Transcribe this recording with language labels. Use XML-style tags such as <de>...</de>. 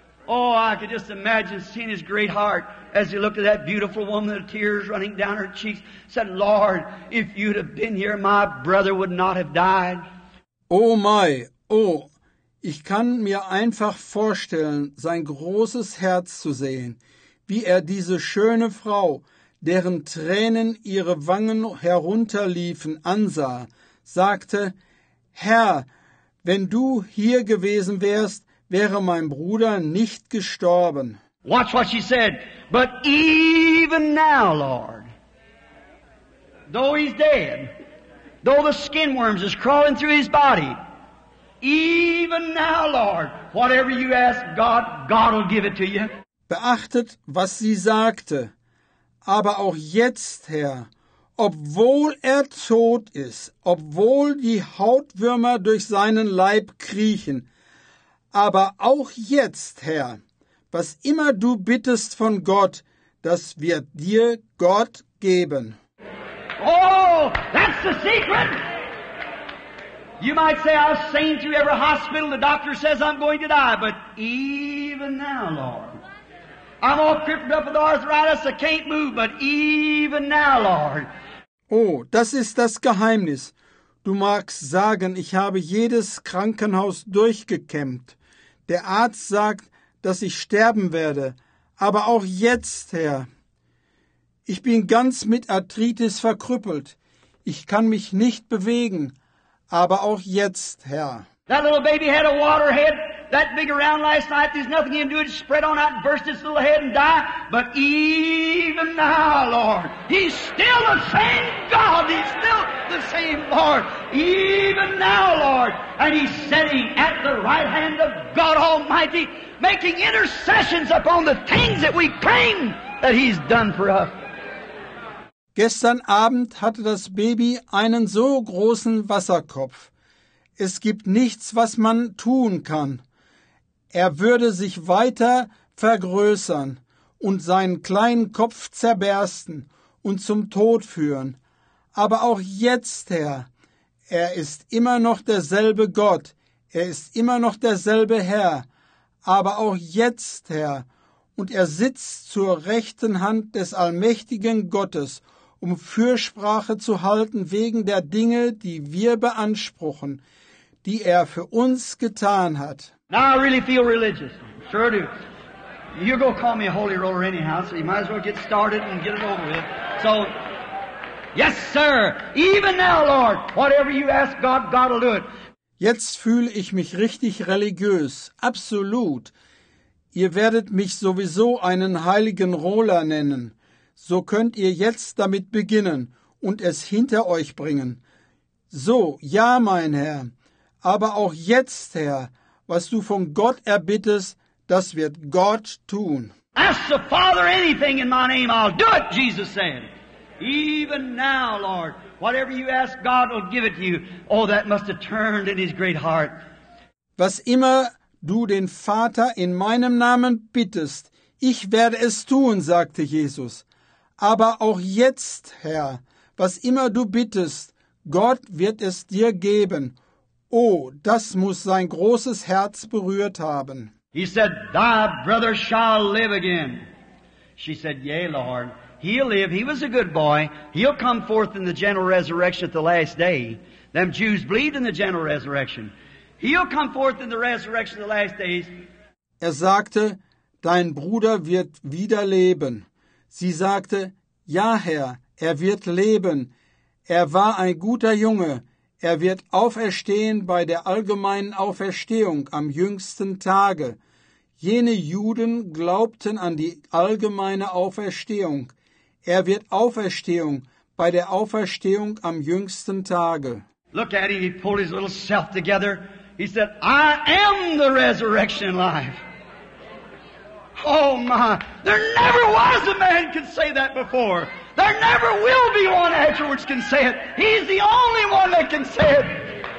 <en>Oh, I could just imagine seeing his great heart as he looked at that beautiful woman, the tears running down her cheeks, said, Lord, if you'd have been here, my brother would not have died.</en> <de>Oh mei, oh, ich kann mir einfach vorstellen, sein großes Herz zu sehen, wie er diese schöne Frau, deren Tränen ihre Wangen herunterliefen, ansah, sagte, Herr, wenn du hier gewesen wärst, wäre mein Bruder nicht gestorben.</de> <en>Watch what she said, but even now, Lord, though he's dead, though the skin worms is crawling through his body, even now, Lord, whatever you ask God, God will give it to you.</en> <de>Beachtet, was sie sagte. Aber auch jetzt, Herr, obwohl er tot ist, obwohl die Hautwürmer durch seinen Leib kriechen, aber auch jetzt, Herr, was immer du bittest von Gott, das wird dir Gott geben.</de> <en>Oh! people. That's the secret. You might say, I've seen through every hospital, the doctor says I'm going to die, but even now, Lord, I'm all crippled up with arthritis, I can't move, but even now, Lord.</en> <de>Oh, das ist das Geheimnis. Du magst sagen, ich habe jedes Krankenhaus durchgekämmt. Der Arzt sagt, dass ich sterben werde, aber auch jetzt, Herr. Ich bin ganz mit Arthritis verkrüppelt. Ich kann mich nicht bewegen, aber auch jetzt, Herr.</de> <en>That little baby had a water head that big around last night. There's nothing he can do. It spread on out and burst his little head and die. But even now, Lord, he's still the same God. He's still the same Lord. Even now, Lord. And he's sitting at the right hand of God Almighty, making intercessions upon the things that we claim that he's done for us.</en> <de>Gestern Abend hatte das Baby einen so großen Wasserkopf. Es gibt nichts, was man tun kann. Er würde sich weiter vergrößern und seinen kleinen Kopf zerbersten und zum Tod führen. Aber auch jetzt, Herr, er ist immer noch derselbe Gott. Er ist immer noch derselbe Herr. Aber auch jetzt, Herr, und er sitzt zur rechten Hand des allmächtigen Gottes, um Fürsprache zu halten wegen der Dinge, die wir beanspruchen, die er für uns getan hat.</de> <en>Now I really feel religious. Sure do. You're going to call me a holy roller anyhow, so you might as well get started and get it over with. So, yes, sir. Even now, Lord, whatever you ask God, God will do it.</en> <de>Jetzt fühle ich mich richtig religiös. Absolut. Ihr werdet mich sowieso einen heiligen Roller nennen. So könnt ihr jetzt damit beginnen und es hinter euch bringen. So, ja, mein Herr, aber auch jetzt, Herr, was du von Gott erbittest, das wird Gott tun.</de> <en>Ask the Father anything in my name, I'll do it, Jesus said. Even now, Lord, whatever you ask, God will give it to you. Oh, that must have turned in his great heart.</en> <de>Was immer du den Vater in meinem Namen bittest, ich werde es tun, sagte Jesus. Aber auch jetzt, Herr, was immer du bittest, Gott wird es dir geben. Oh, das muss sein großes Herz berührt haben.</de> <en>He said, thy brother shall live again. She said, yea, Lord, he'll live. He was a good boy. He'll come forth in the general resurrection at the last day. Them Jews believed in the general resurrection. He'll come forth in the resurrection of the last days.</en> <de>Er sagte, dein Bruder wird wieder leben. Sie sagte, ja, Herr, er wird leben. Er war ein guter Junge. Er wird auferstehen bei der allgemeinen Auferstehung am jüngsten Tage. Jene Juden glaubten an die allgemeine Auferstehung. Er wird Auferstehung bei der Auferstehung am jüngsten Tage.</de> <en>Look at him, he pulled his little self together. He said, I am the resurrection life. Oh my, there never was a man could say that before. There never will be one afterwards can say it. He's the only one that can say it.</en>